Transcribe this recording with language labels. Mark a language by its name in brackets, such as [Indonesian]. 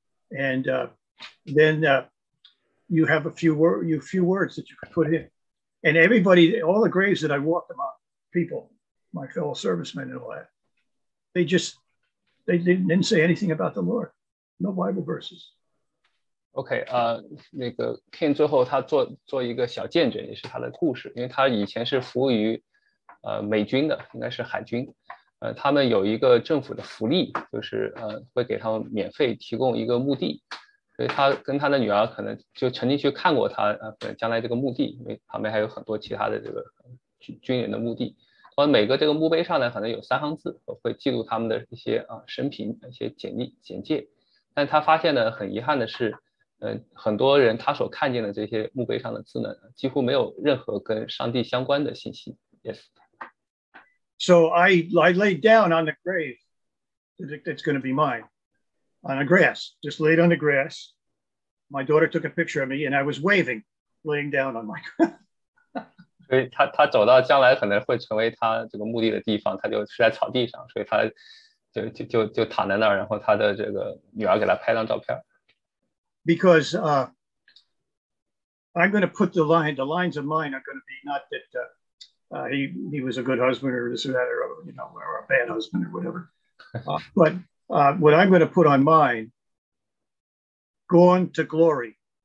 [English] And then you have a few words that you can put in. And everybody, all the graves that I walked among, people, my fellow servicemen and all that, they didn't say anything about the Lord. No Bible verses. [Chinese] Okay, 那个 Ken 最后他做一个小见证，也是他的故事，因为他以前是服务于美军的，应该是海军，他们有一个政府的福利，就是会给他们免费提供一个墓地，所以他跟他的女儿可能就曾经去看过他将来这个墓地，因为旁边还有很多其他的这个军人的墓地，然后每个这个墓碑上呢，可能有三行字，会记录他们的一些生平、一些简历、简介，但他发现呢，很遗憾的是。很多人他所看见的这些墓碑上的字呢，几乎没有任何跟上帝相关的信息。 [English] Yes. So I laid down on the grave that's going to be mine on a grass, just laid on the grass. My daughter took a picture of me and I was waving, laying down on my grave. [Chinese] 所以他走到将来可能会成为他这个墓地的地方，他就是在草地上，所以他就躺在那儿，然后他的这个女儿给他拍张照片。 [English] Because I'm going to put the lines of mine are going to be not that he was a good husband or this or that or, you know, or a bad husband or whatever. But what I'm going to put on mine, gone to glory.